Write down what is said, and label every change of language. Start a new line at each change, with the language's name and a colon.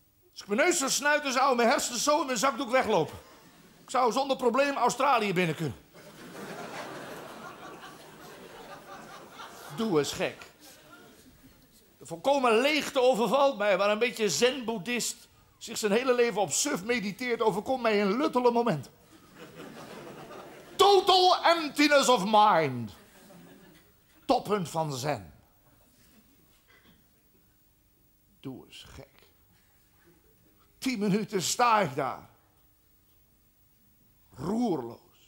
Dutch: Als ik mijn neus zou snuiten, zou mijn hersenen zo in mijn zakdoek weglopen. Ik zou zonder probleem Australië binnen kunnen. Doe eens gek. Volkomen leegte overvalt mij, waar een beetje zen-boeddhist zich zijn hele leven op suf mediteert, overkomt mij een luttele moment.
English: Total emptiness of mind.
Dutch: Toppunt van zen. Doe eens gek. 10 minuten sta ik daar. roerloos.